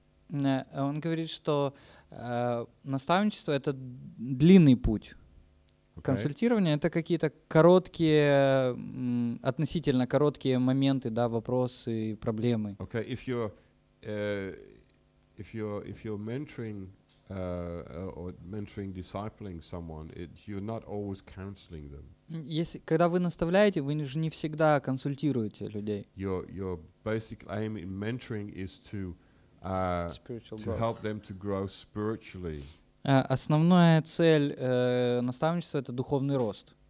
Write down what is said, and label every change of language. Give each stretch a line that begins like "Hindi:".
Russian: Он говорит, что наставничество — это длинный путь. Консультирование — это какие-то короткие, относительно короткие моменты, да, вопросы, проблемы.
English: Okay, if you're mentoring. Or mentoring, discipling someone, you're not always counseling them.
Russian: Если когда вы наставляете, вы же не всегда консультируете людей.
English: Your basic aim in mentoring is to help them to grow spiritually.
Russian: Основная цель наставничества — это духовный рост.